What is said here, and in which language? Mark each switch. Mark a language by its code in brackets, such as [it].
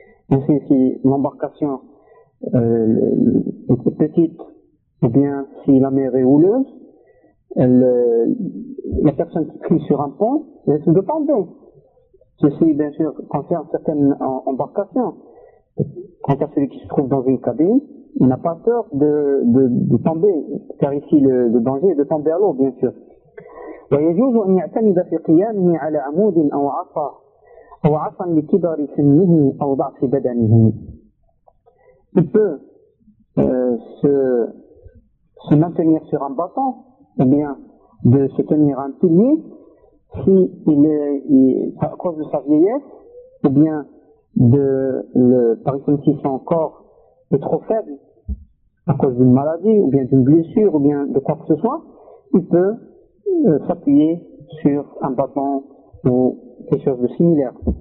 [fr] Ainsi, si l'embarcation est petite ou bien si la mer est houleuse, la personne qui prie sur un pont risque de tomber. Ceci, bien sûr, concerne certaines embarcations. Quant à celui qui se trouve dans une cabine, il n'a pas peur de tomber, car ici le danger est de tomber à l'eau, bien sûr. [ar] ويجوز أن يعتمد في قيامه على عمود أو عصا أو عصا لكبر سنه أو ضعف بدنه. [fr] Il peut se maintenir sur un bâton, ou bien de se tenir un pilier, s'il est à cause de sa vieillesse, ou bien de le par exemple si son corps est trop faible à cause d'une maladie, ou bien d'une blessure, ou bien de quoi que ce soit, il peut s'appuyer sur un bâton ou quelque chose de similaire.